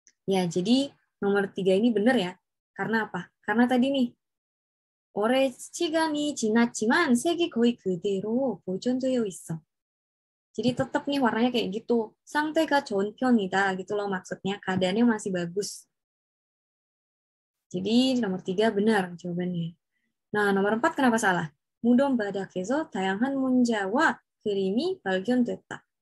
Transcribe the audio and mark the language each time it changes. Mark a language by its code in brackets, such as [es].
[id] Ya, jadi nomor 3 ini benar ya. Karena apa? Karena tadi nih. [ko] 오래 시간이 지났지만 색이 거의 그대로 보존되어 있어. [id] Jadi tetap nih warnanya kayak gitu. [ko] 상태가 좋은 편이다 [id] gitu loh maksudnya. Keadaannya masih bagus. Jadi nomor 3 benar jawabannya. Nah, nomor 4 kenapa salah? [ko] 무덤 바닥에서 다양한 문자와 그림이 발견됐다.